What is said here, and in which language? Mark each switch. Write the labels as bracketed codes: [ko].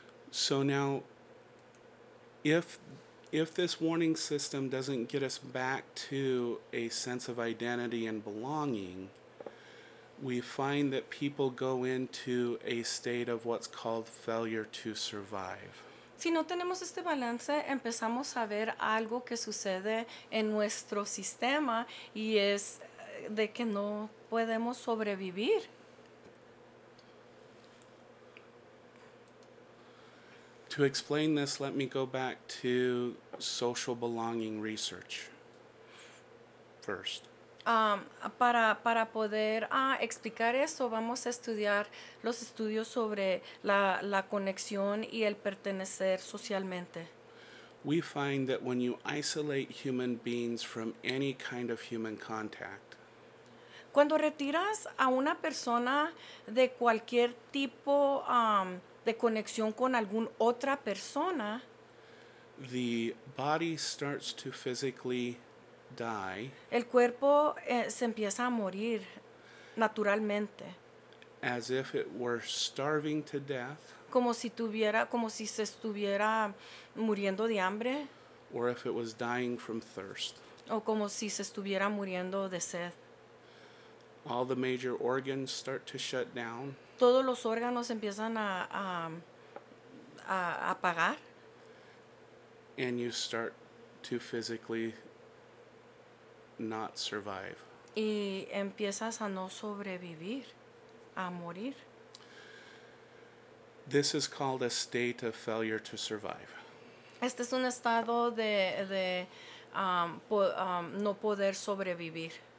[en] So now, if this warning system doesn't get us back to a sense of identity and belonging, we find that people go into a state of what's called failure to survive. [es] Si no tenemos este balance, empezamos a ver algo que sucede en nuestro sistema, y es de que no podemos sobrevivir. [en] To explain this, let me go back to social belonging research first. [es] Para poder explicar esto, vamos a estudiar los estudios sobre la conexión y el pertenecer socialmente. [en] We find that when you isolate human beings from any kind of human contact, [es] cuando retiras a una persona de cualquier tipo de conexión con algún otra persona, [en] the body starts to physically die. [es] El cuerpo se empieza a morir naturalmente. [en] As if it were starving to death. [es] Como si se estuviera muriendo de hambre. [en] Or if it was dying from thirst. [es] O como si se estuviera muriendo de sed. [en] All the major organs start to shut down. [es] Todos los órganos empiezan a apagar. [en] And you start to physically not survive. [es] Y empiezas a no sobrevivir, a morir. [en] This is called a state of failure to survive. [es] Este es un estado de no poder sobrevivir.